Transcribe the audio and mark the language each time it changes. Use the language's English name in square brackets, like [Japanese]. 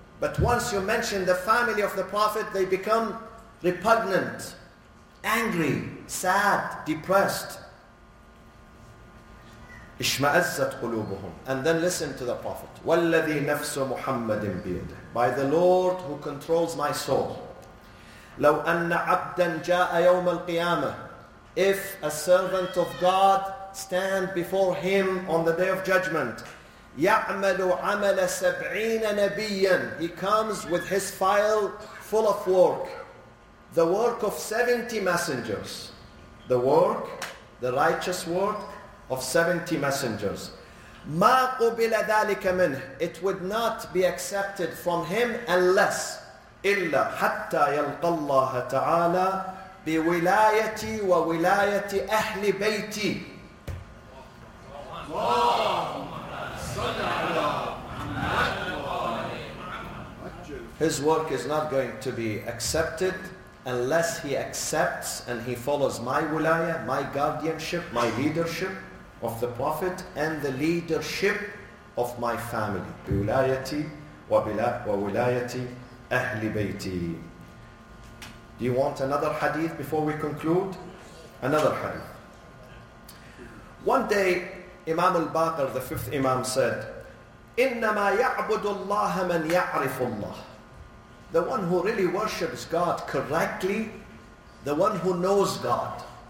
[English] But once you mention the family of the Prophet, they become repugnant, angry, sad, depressed. [Arabic] اشمأزت قلوبهم. [English] And then listen to the prophet. [Arabic] والذي نفس محمد بيده. [English] By the Lord who controls my soul. [Arabic] لو أن عبدا جاء يوم القيامة. [English] If a servant of God stand before him on the day of judgment. [Arabic] يعمل عمل سبعين نبيا. [English] He comes with his file full of work. The work of 70 messengers. The work, the righteous work of 70 messengers. [Arabic] ما قبل ذلك منه. [English] It would not be accepted from him unless [Arabic] إلا حتى يلقى الله تعالى بولايتي وولاية أهل بيتي. [English] His work is not going to be accepted unless he accepts and he follows my wilaya, my guardianship, my leadership of the Prophet and the leadership of my family. [Arabic] بولايتي وولايتي أهل بيتي. [English] Do you want another hadith before we conclude? Another hadith. One day, Imam al-Baqir, the fifth Imam, said, [Arabic] إنما يعبد الله من يعرف الله. [English] The one who really worships God correctly, the one who knows God.